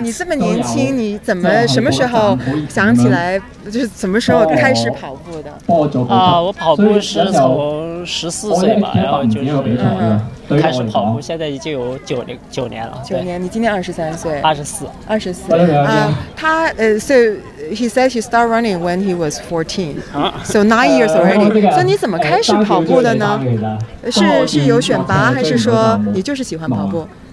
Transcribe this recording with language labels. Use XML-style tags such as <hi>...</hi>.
<zh>你这么年轻，你怎么什么时候想起来，就是什么时候开始跑步的？我跑步是从十四岁吧，然后就是开始跑步，现在已经有九年了。九年，你今年二十三岁。二十四。</zh> <en>So he said he started running when he was 14. So 9 years already.</en> <zh>所以你怎么开始跑步的呢？是有选拔，还是说你就是喜欢跑步？</zh>